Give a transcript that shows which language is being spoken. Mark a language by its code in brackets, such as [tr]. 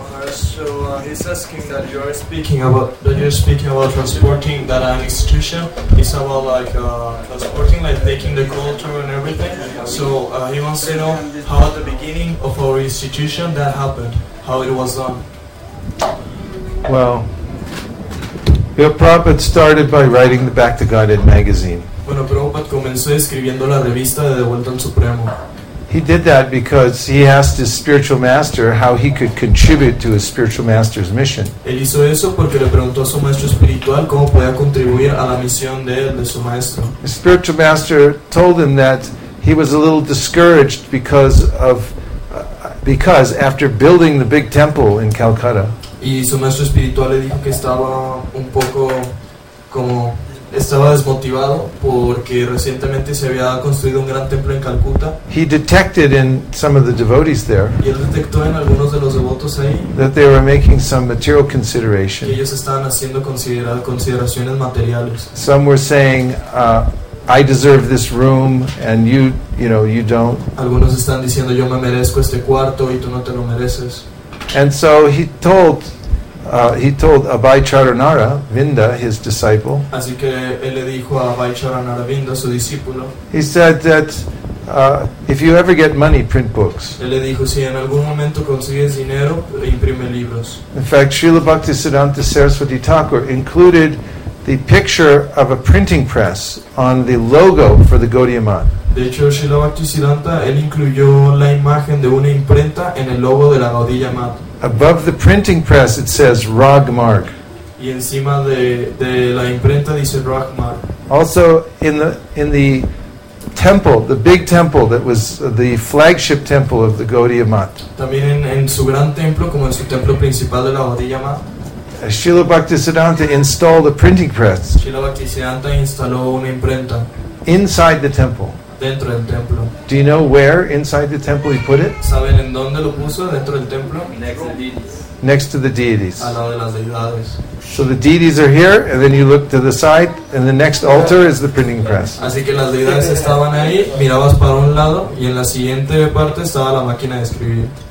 [en] So he's asking that you're speaking about transporting, that an institution is about like transporting, like taking the culture and everything. So he wants to know how at the beginning of our institution that happened, how it was done. Well, your Prabhupada started by writing the Back to Godhead magazine. [es] Bueno, Prabhupada comenzó escribiendo la revista de Devuelto al Supremo. [en] He did that because he asked his spiritual master how he could contribute to his spiritual master's mission. [es] Él hizo eso porque le preguntó a su maestro espiritual cómo podía contribuir a la misión de su maestro. [en] His spiritual master told him that he was a little discouraged because after building the big temple in Calcutta. [es] Y su maestro espiritual le dijo que estaba un poco como estaba desmotivado porque recientemente se había construido un gran templo en Calcuta. [en] He detected in some of the devotees there. [es] Y él detectó en algunos de los devotos ahí. [en] That they were making some material consideration. [es] Que ellos estaban haciendo consideraciones materiales. [en] Some were saying, I deserve this room and you don't. [es] Algunos están diciendo yo me merezco este cuarto y tú no te lo mereces. [en] And so he told Abhay Charanara Vinda, his disciple. [es] Así que él le dijo a Abhay Charanara Vinda, su discípulo. [en] He said that if you ever get money, print books. [es] Él le dijo, si en algún momento consigues dinero, imprime libros. [en] In fact, Srila Bhaktisiddhanta Saraswati Thakur included the picture of a printing press on the logo for the Gaudiya Math. [es] De hecho, Srila Bhaktisiddhanta, él incluyó la imagen de una imprenta en el logo de la Gaudiya Math. [en] Above the printing press, it says Ragmarg. [es] Y encima de la imprenta dice Ragmarg. [en] Also, in the temple, the big temple that was the flagship temple of the Gaudiya Math. [es] También en su gran templo, como en su templo principal de la Gaudiya Math. [en] Srila Bhaktisiddhanta installed a printing press. [es] Srila Bhaktisiddhanta instaló una imprenta. [en] Inside the temple. [es] dentro del templo. [en] Do you know where inside the temple he put it? [es] ¿Saben en dónde lo puso dentro del templo? [en] Next to the deities. Next to the deities. [es] Al lado de las deidades. [en] So the deities are here, and then you look to the side, and the next altar is the printing press. [es] Así que las deidades estaban ahí, mirabas para un lado, y en la siguiente parte estaba la máquina de escribir.